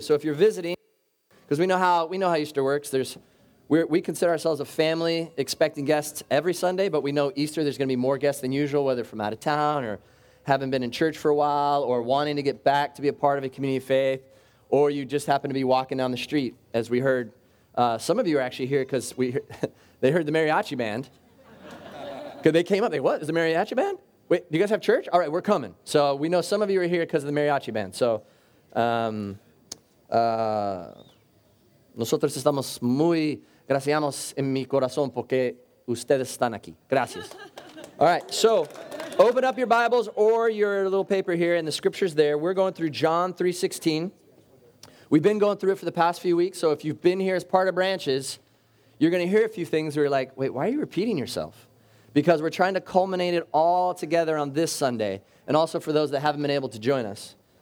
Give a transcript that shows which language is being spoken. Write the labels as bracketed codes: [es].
[en] So if you're visiting, because we know how Easter works, We consider ourselves a family expecting guests every Sunday, but we know Easter there's going to be more guests than usual, whether from out of town or haven't been in church for a while or wanting to get back to be a part of a community of faith, or you just happen to be walking down the street, as we heard. Some of you are actually here because they heard the mariachi band. Because they came up, what, is the mariachi band? Wait, do you guys have church? All right, we're coming. So we know some of you are here because of the mariachi band. [es] So nosotros estamos muy graciamos en mi corazón porque ustedes están aquí. Gracias. [en] All right, so open up your Bibles or your little paper here, and the scripture's there. We're going through John 3:16. We've been going through it for the past few weeks, so if you've been here as part of Branches, you're going to hear a few things where you're like, wait, why are you repeating yourself? Because we're trying to culminate it all together on this Sunday, and also for those that haven't been able to join us.